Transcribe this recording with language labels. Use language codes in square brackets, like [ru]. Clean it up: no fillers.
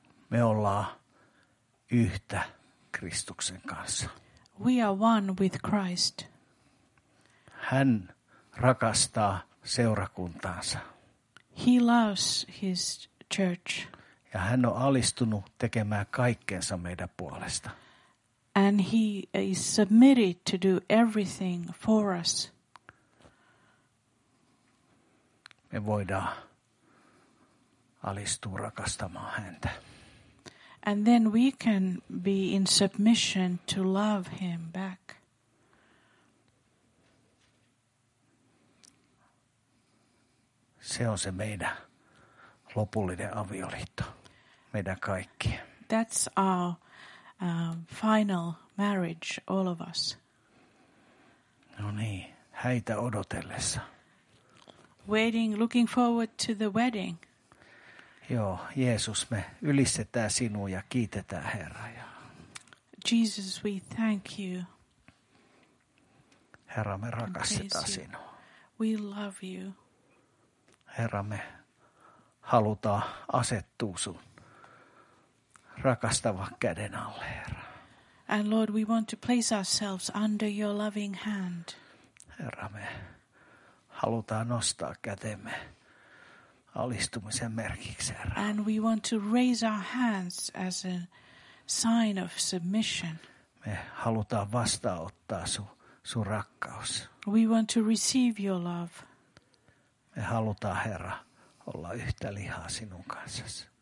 [fi] Me ollaan yhtä Kristuksen kanssa. [en] We are one with Christ. [fi] Hän rakastaa seurakuntaansa. [en] He loves his church. [fi] Ja hän on alistunut tekemään kaikkensa meidän puolesta. [en] And he is submitted to do everything for us. [fi] Me voidaan alistua rakastamaan häntä. [en] And then we can be in submission to love him back. [fi] Se on se meidän lopullinen avioliitto, meidän kaikki. [en] That's our final marriage, all of us. [fi] No niin, häitä odotellessa. [en] Waiting, looking forward to the wedding. [fi] Joo, Jeesus, me ylistetään sinua ja kiitetään Herra. [en] Jesus, we thank you. [fi] Herra, me rakastetaan sinua. [en] We love you. [fi] Herra, me halutaan asettua sun rakastava käden alle, Herra. [en] And Lord, we want to place ourselves under your loving hand. [fi] Herra, me halutaan nostaa kätemme alistumisen merkiksi, Herra. [en] And we want to raise our hands as a sign of submission. [fi] Me halutaan vastaanottaa sun rakkaus. [en] We want to receive your love. [fi] Me halutaan, Herra, olla yhtä lihaa sinun kanssasi.